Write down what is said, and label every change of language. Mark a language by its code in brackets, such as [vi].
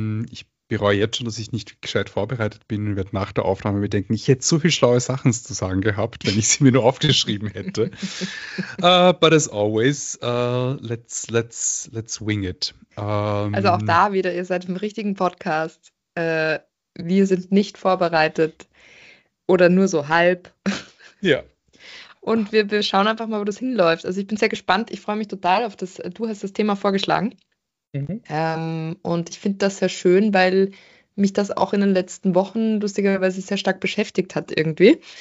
[de] Ich bereue jetzt schon, dass ich nicht gescheit vorbereitet bin und werde nach der Aufnahme bedenken, ich hätte so viel schlaue Sachen zu sagen gehabt, wenn ich sie mir nur aufgeschrieben hätte. [en] But as always, let's wing it. [de] Also auch da wieder, ihr seid im richtigen Podcast. Wir sind nicht vorbereitet oder nur so halb. Ja. Und wir schauen einfach mal, wo das hinläuft. Also ich bin sehr gespannt. Ich freue mich total auf das. Du hast das Thema vorgeschlagen. Und ich finde das sehr schön, weil mich das auch in den letzten Wochen lustigerweise sehr stark beschäftigt hat irgendwie.